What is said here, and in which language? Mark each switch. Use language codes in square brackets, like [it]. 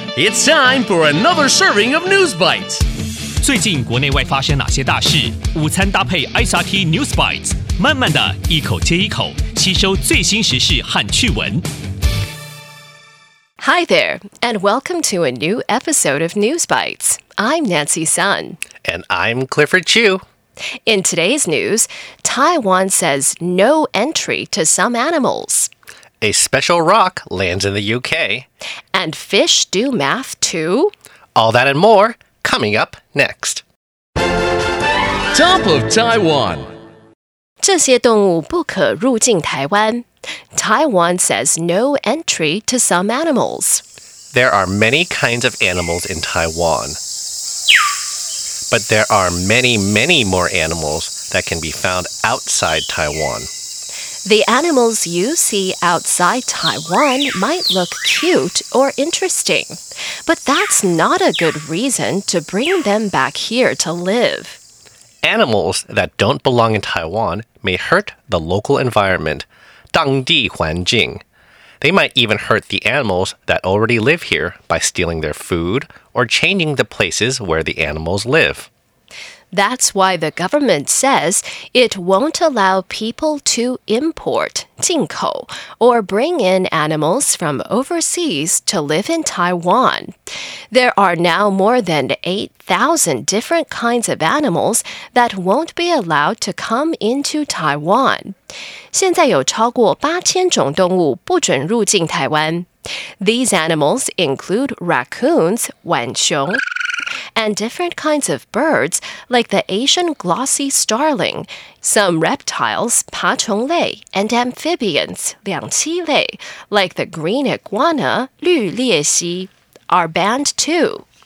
[en] It's time for another serving of News Bites. [zh] 最近国内外发生哪些大事？午餐搭配 SRT News Bites， 慢慢的一口接一口，吸收最新时事和趣闻。 [en] Hi there, and welcome to a new episode of News Bites. I'm Nancy Sun. And I'm Clifford Chu. In today's news, Taiwan says no entry to some animals. A special rock lands in the UK. And fish do math too? All that and more, coming up next. Top of Taiwan. [zh] 这些动物不可入境台湾。 [en] Taiwan says no entry to some animals. There are many kinds of animals in Taiwan. But there are many, many more animals that can be found outside Taiwan. The animals you see outside Taiwan might look cute or interesting, but that's not a good reason to bring them back here to live. Animals that don't belong in Taiwan may hurt the local environment, [zh] 当地环境. [en] They might even hurt the animals that already live here by stealing their food or changing the places where the animals live. That's why the government says it won't allow people to import, [zh] 进口, [en] or bring in animals from overseas to live in Taiwan. There are now more than 8,000 different kinds of animals that won't be allowed to come into Taiwan. [zh] 现在有超过八千种动物不准入境台湾. [en] These animals include raccoons, [zh] 浣熊, [en] and different kinds of birds, like the Asian glossy starling, some reptiles, [zh] 爬虫类, [en] and amphibians, [zh] 两栖类, [en] like the green iguana, [zh] 绿鬣蜥, [en] are banned too.